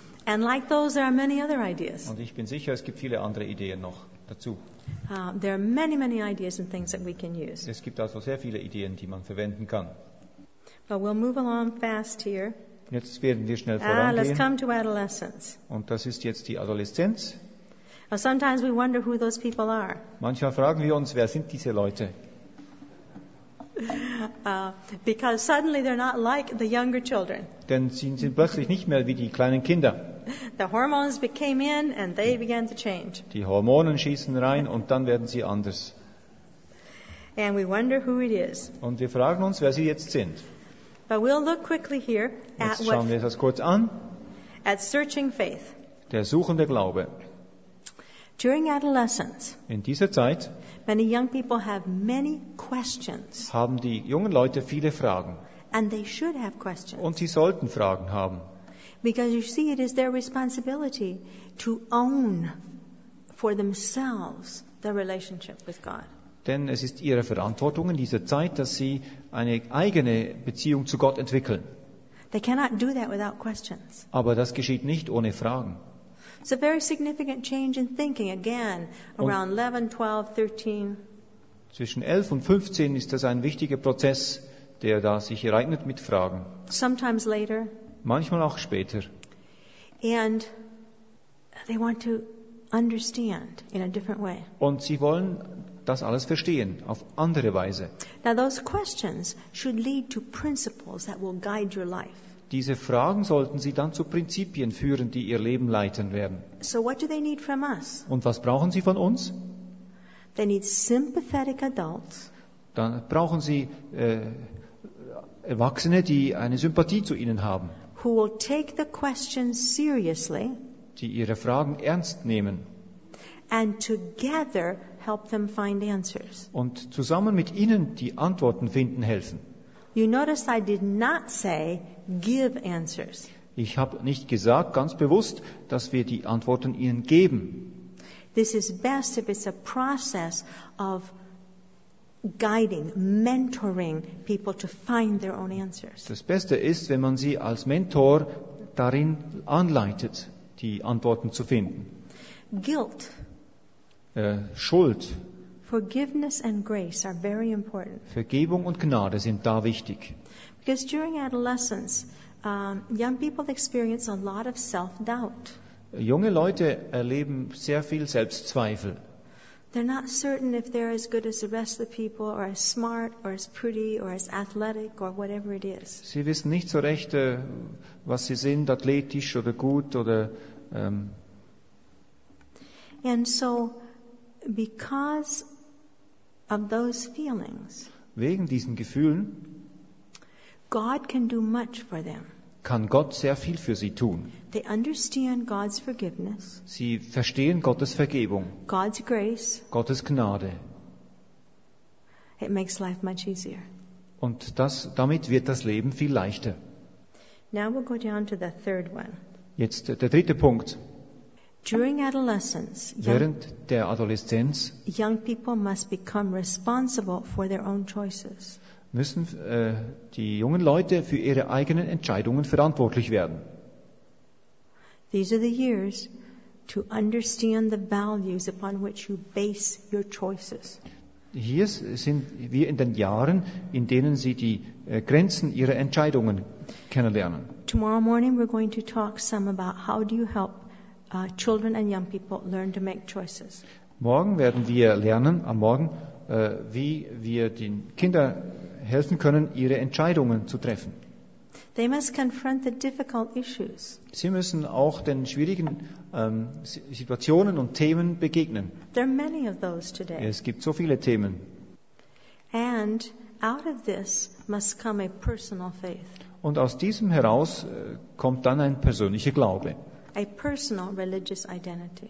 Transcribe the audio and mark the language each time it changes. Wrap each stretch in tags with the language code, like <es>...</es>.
<en>And like those, there are many other ideas.</en> <de>Und ich bin sicher, es gibt viele andere Ideen noch dazu.</de> <en>There are many, many ideas and things that we can use.</en> <de>Es gibt also sehr viele Ideen, die man verwenden kann.</de> <en>But we'll move along fast here.</en> <de>Jetzt werden wir schnell vorangehen.</de> <en>Let's come to adolescence.</en> <de>Und das ist jetzt die Adoleszenz.</de> <en>Well, sometimes we wonder who those people are.</en> <de>Manchmal fragen wir uns, wer sind diese Leute?</de> <en>Because suddenly they're not like the younger children.</en> <de>Denn sie sind plötzlich nicht mehr wie die kleinen Kinder.</de> <en>The hormones came in and they began to change.</en> <de>Die Hormone schießen rein und dann werden sie anders.</de> <en>And we wonder who it is.</en> <de>Und wir fragen uns, wer sie jetzt sind.</de> <en>But we'll look quickly here at</en> <de>jetzt schauen wir das kurz an.</de> <en>At searching faith.</en> <de>Der suchende Glaube.</de> <en>During adolescence,</en> <de>in dieser Zeit</de> <en>many young people have many questions,</en> <de>haben die jungen Leute viele Fragen.</de> <en>And they should have questions.</en> <de>Und sie sollten Fragen haben.</de> <en>Because you see, it is their responsibility to own for themselves their relationship with God.</en> <de>Denn es ist ihre Verantwortung in dieser Zeit, dass sie eine eigene Beziehung zu Gott entwickeln.</de> <en>They cannot do that without questions.</en> <de>Aber das geschieht nicht ohne Fragen.</de> <en>It's a very significant change in thinking, again, around 11, 12, 13.</en> <de>Zwischen 11 und 15 ist das ein wichtiger Prozess, der da sich ereignet mit Fragen.</de> <en>Sometimes later.</en> <de>Manchmal auch später.</de> <en>And they want to understand in a different way.</en> <de>Und sie wollen das alles verstehen, auf andere Weise.</de> <en>Now those questions should lead to principles that will guide your life.</en> <de>Diese Fragen sollten sie dann zu Prinzipien führen, die ihr Leben leiten werden.</de> <en>So what do they need from us?</en> <de>Und was brauchen sie von uns?</de> <en>They need sympathetic adults.</en> <de>Dann brauchen sie Erwachsene, die eine Sympathie zu ihnen haben.</de> <en>Who will take the questions seriously,</en> <de>die ihre Fragen ernst nehmen.</de> <en>And together help them find answers.</en> <de>Und zusammen mit ihnen die Antworten finden helfen.</de> <en>You notice I did not say give answers.</en> <de>Ich habe nicht gesagt, ganz bewusst, dass wir die Antworten ihnen geben.</de> <en>This is best if it's a process of guiding, mentoring people to find their own answers.</en> <de>Das Beste ist, wenn man sie als Mentor darin anleitet, die Antworten zu finden.</de> <en>Guilt.</en> <de>Schuld.</de> <en>Forgiveness and grace are very important.</en> <de>Vergebung und Gnade sind da wichtig.</de> <en>Because during adolescence, young people experience a lot of self-doubt.</en> <de>Junge Leute erleben sehr viel Selbstzweifel.</de> <en>They're not certain if they're as good as the rest of the people, or as smart, or as pretty, or as athletic, or whatever it is.</en> <de>Sie wissen nicht so recht, was sie sind, athletisch oder gut oder.</de> <en>And so, because of those feelings,</en> <de>wegen diesen Gefühlen,</de> <en>God can do much for them.</en> <de>Kann Gott sehr viel für sie tun.</de> <en>They understand God's forgiveness.</en> <de>Sie verstehen Gottes Vergebung.</de> <en>God's grace.</en> <de>Gottes Gnade.</de> <en>It makes life much easier.</en> <de>Und damit wird das Leben viel leichter.</de> <en>Now we'll go down to the third one.</en> <de>Jetzt der dritte Punkt.</de> <en>During adolescence,</en> <de>während der Adoleszenz,</de> <en>young people must become responsible for their own choices.</en> <de>Müssen die jungen Leute für ihre eigenen Entscheidungen verantwortlich werden.</de> <en>These are the years to understand the values upon which you base your choices.</en> <de>Hier sind wir in den Jahren, in denen Sie die Grenzen Ihrer Entscheidungen kennenlernen.</de> <en>Tomorrow morning we're going to talk some about how do you help children and young people learn to make choices.</en> <de>Morgen werden wir lernen, am Morgen, wie wir den Kindern helfen können, ihre Entscheidungen zu treffen.</de> <en>They must confront the difficult issues.</en> <de>Sie müssen auch den schwierigen Situationen und Themen begegnen.</de> <en>There are many of those today.</en> <de>Es gibt so viele Themen.</de> <en>And out of this must come a personal faith.</en> <de>Und aus diesem heraus kommt dann ein persönlicher Glaube.</de> <en>A personal religious identity.</en>